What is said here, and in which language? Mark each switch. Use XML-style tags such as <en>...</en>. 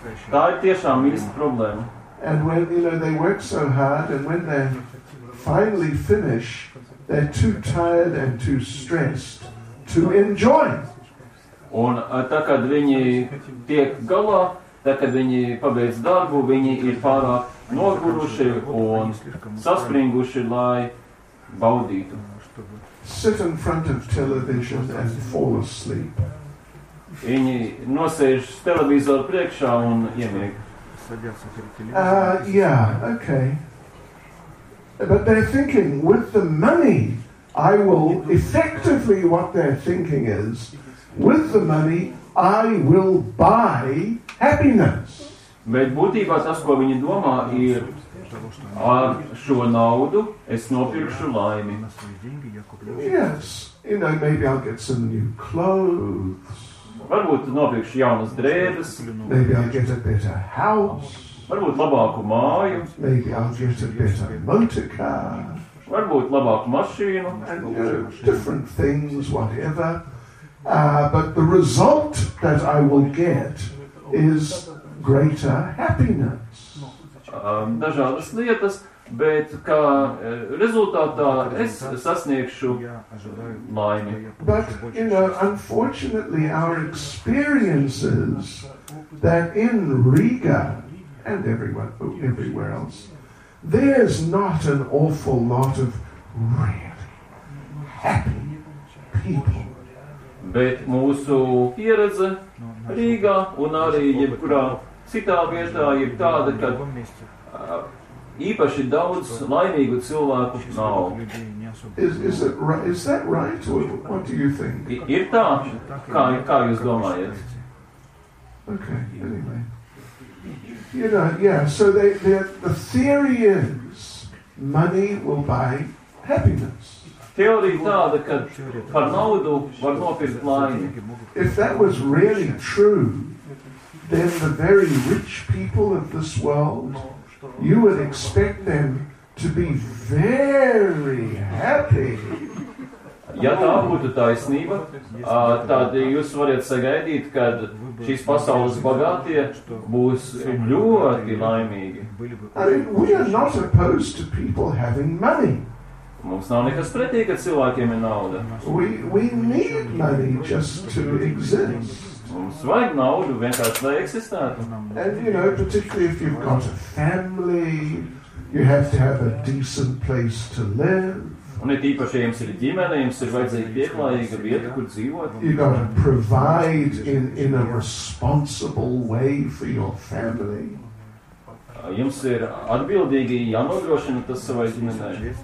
<lv>Tā ir tiešām īsta problēma.</lv> <en>And when you know they work so hard and when they finally finish they're too tired and too stressed to enjoy.</en> <lv>Un tā kad viņi tiek galā, tā kad viņi pabeidz darbu, viņi ir pārāk noguruši un saspringuši, lai baudītu.</lv> <en>Sit in front of television and fall asleep.</en> <lv>Viņi nosēž televizoru priekšā un iemieg.</lv> <en>Okay. But they're thinking with the money I will effectively what they're thinking is with the money I will buy happiness.</en> <lv>Bet būtībā tas, ko viņi domā, ir ar šo naudu es nopirkšu laimi.</lv> <en>Yes, you know, maybe I'll get some new clothes.</en> <lv>Varbūt nopirkšu jaunas drēbes.</lv> <en>Maybe I'll get a better house.</en> <lv>Varbūt labāku māju.</lv> <en>Maybe I'll get a better motor car.</en> <lv>Varbūt labāku mašīnu.</lv> <en>And, you know, different things, whatever. But the result that I will get is greater happiness.</en> <lv>Dažādas lietas, bet kā rezultātā es sasniegšu laimi.</lv> <en>But, you know, unfortunately our experiences that in Riga and everywhere else there's not an awful lot of really happy people.</en> <lv>Bet mūsu pieredze Rīgā un arī jebkurā citā vietā ir tāda, ka īpaši daudz laimīgu cilvēku nav.</lv> <en>Is that right? What do you think?</en> <lv>Ir tā, kā jūs domājat?</lv> <en>Okay, anyway. You know, yeah, so the theory is money will buy happiness.</en> <lv>Teorija tāda, ka par naudu var nopirkt laimi.</lv> <en>If that was really true, then the very rich people of this world, you would expect them to be very happy.</en> <lv>Ja tā būtu taisnība, tad jūs varat sagaidīt, ka šīs pasaules bagātie būs ļoti laimīgi.</lv> <en>I mean, we are not opposed to people having money.</en> <lv>Mums nav nekas pretī, ka cilvēkiem ir nauda.</lv> <en>We need money just to exist.</en> <lv>Mums vajag naudu vienkārši, lai eksistētu.</lv> <en>And, you know, particularly if you've got a family, you have to have a decent place to live.</en> <lv>Un ir īpaši, ja jums ir ģimene, jums ir vajadzīga pieklājīga vieta, kur dzīvot.</lv> <en>You've got to provide in a responsible way for your family.</en> <lv>Jums ir atbildīgi jānodrošina tas savai ģimenei.</lv>